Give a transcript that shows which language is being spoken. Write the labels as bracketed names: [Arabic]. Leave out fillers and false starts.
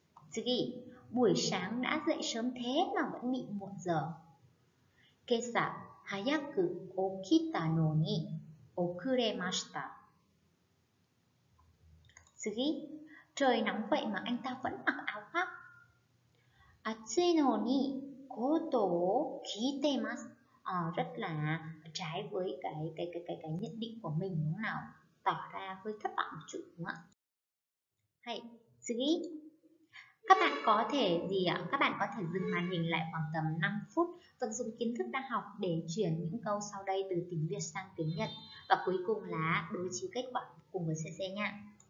[Japanese] 次, [Vietnamese] buổi sáng đã dậy sớm thế mà vẫn bị muộn giờ. [Japanese] 今朝早く起きたのに、遅れました。次, [Vietnamese] trời nóng vậy mà anh ta vẫn mặc áo khoác. [Japanese] 暑いのにコートを着てます。 [Vietnamese] Rất là trái với cái nhận định của mình đúng không nào? Tỏ ra hơi thất vọng một chút đúng không ạ? Hãy suy. Các bạn có thể gì ạ? Các bạn có thể dừng màn hình lại khoảng tầm 5 phút, vận dụng kiến thức đã học để chuyển những câu sau đây từ tiếng Việt sang tiếng Nhật và cuối cùng là đối chiếu kết quả cùng với CC nha.